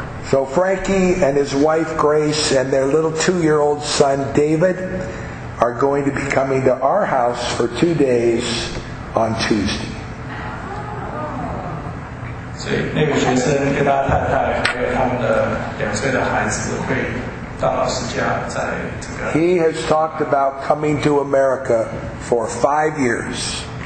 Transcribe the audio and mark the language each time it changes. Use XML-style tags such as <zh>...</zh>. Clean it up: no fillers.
<en>So Frankie and his wife Grace and their little 2-year-old son David are going to be coming to our house for 2 days on Tuesday.</en> <zh>所以那个学生跟他太太还有他们的两岁的孩子会到老师家在这个。</zh> <en>He has talked about coming to America for 5 years.</en>